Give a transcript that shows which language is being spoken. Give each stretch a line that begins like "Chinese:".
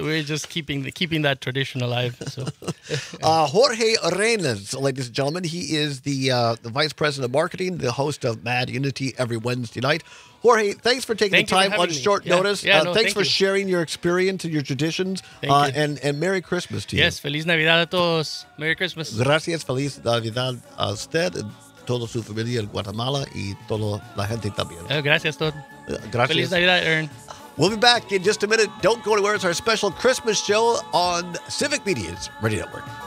English: we're just keeping that tradition alive. Jorge Reyna, ladies and gentlemen, he is the Vice President of Marketing, the host of Mad Unity every Wednesday night. Jorge, thanks for taking the time on short notice. Yeah, thanks for sharing your experience and your traditions. And Merry Christmas to you. Yes,
Spanish: Feliz Navidad a todos.
English: Merry Christmas.
Spanish: Gracias, Feliz Navidad a usted, toda su familia en Guatemala y toda la gente también. Gracias, Todd. Gracias. Feliz Navidad, Aaron.
English: We'll be back in just a minute. Don't go anywhere. It's our special Christmas show on Civic Media's Radio Network.